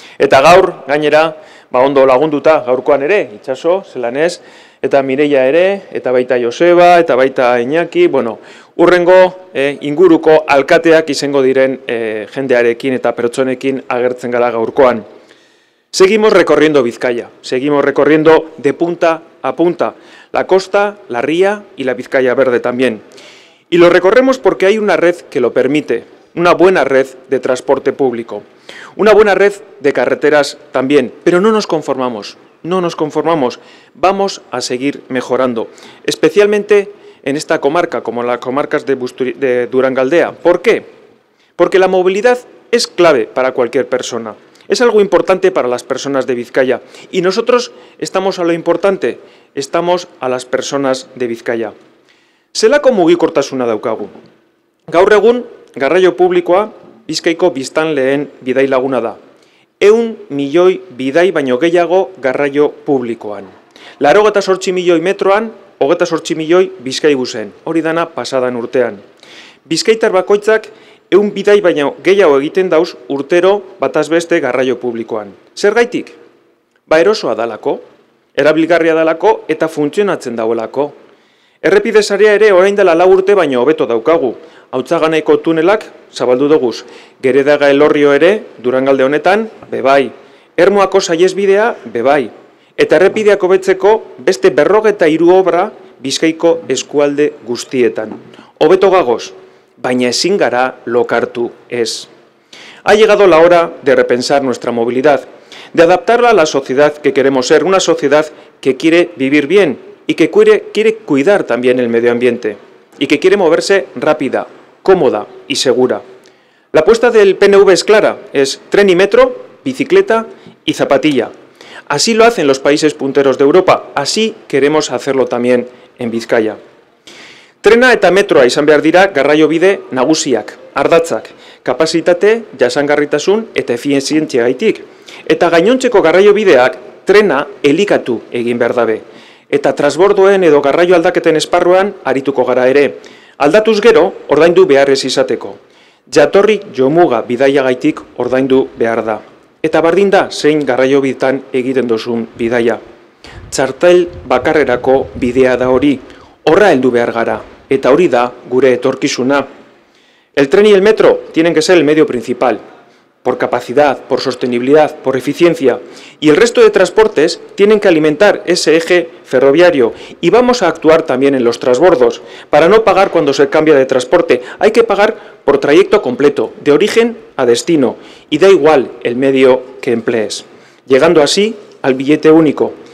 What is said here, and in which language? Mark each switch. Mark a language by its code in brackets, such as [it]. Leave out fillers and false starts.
[eu] Eta gaur, gainera, ba ondo lagunduta gaurkoan ere, Itxaso, zelan ez, eta Mireia ere, eta baita Joseba, eta baita Iñaki, bueno, urrengo inguruko alkateak izango diren jendearekin eta pertsonekin agertzen gara gaurkoan. [es] Seguimos recorriendo Vizcaya, seguimos recorriendo de punta a punta, la costa, la ría y la Vizcaya Verde también. Y lo recorremos porque hay una red que lo permite, una buena red de transporte público, una buena red de carreteras también, pero no nos conformamos, no nos conformamos, vamos a seguir mejorando, especialmente en esta comarca, como las comarcas de Durangaldea. ¿Por qué? Porque la movilidad es clave para cualquier persona. Es algo importante para las personas de Vizcaya y nosotros estamos a lo importante, estamos a las personas de Vizcaya. [eu] Zelako mugikortasuna daukagu. Gaur egun, garraio publikoa Bizkaiko biztanleen bidai laguna da. 100 milioi bidai baino gehiago garraio publikoan. 88 milioi metroan, 28 milioi Bizkaibusen, hori dana pasadan urtean. Bizkaitar bakoitzak 100 bidai baino gehiago egiten dauz urtero bataz beste garraio publikoan. Zergaitik? Ba erosoa dalako, erabilgarria dalako eta funtzionatzen dauelako. Errepide sarea ere orain dela 4 urte baino hobeto daukagu. Hautzaganeko tunelak zabaldu duguz. Geredaga Elorrio ere, Durangalde honetan, bebai. Ermuako saiesbidea, bebai. Eta errepideak hobetzeko beste 43 obra Bizkaiko eskualde guztietan. Hobeto gagoz, baina ezin gara lokartu ez. [es] Ha llegado la hora de repensar nuestra movilidad, de adaptarla a la sociedad que queremos ser, una sociedad que quiere vivir bien y que quiere cuidar también el medio ambiente y que quiere moverse rápida, cómoda y segura. La apuesta del PNV es clara, es tren y metro, bicicleta y zapatilla. Así lo hacen los países punteros de Europa, así queremos hacerlo también en Vizcaya. [eu] Trena eta metroa izan behar dira garraio bide nagusiak, ardatzak, kapasitate, jasangarritasun eta efizientzia gaitik. Eta gainontzeko garraio bideak trena elikatu egin behar dabe. Eta transbordoen edo garraio aldaketen esparruan arituko gara ere. Aldatuz gero, ordaindu behar ez izateko. Jatorri jomuga bidaia gaitik ordaindu behar da. Eta bardin da, zein garraio bidetan egiten dozun bidaia. Txartel bakarrerako bidea da hori. Horra heldu behar gara, eta hori da gure etorkizuna. [es] El tren y el metro tienen que ser el medio principal, por capacidad, por sostenibilidad, por eficiencia, y el resto de transportes tienen que alimentar ese eje ferroviario, y vamos a actuar también en los transbordos, para no pagar cuando se cambia de transporte, hay que pagar por trayecto completo, de origen a destino, y da igual el medio que emplees, llegando así al billete único.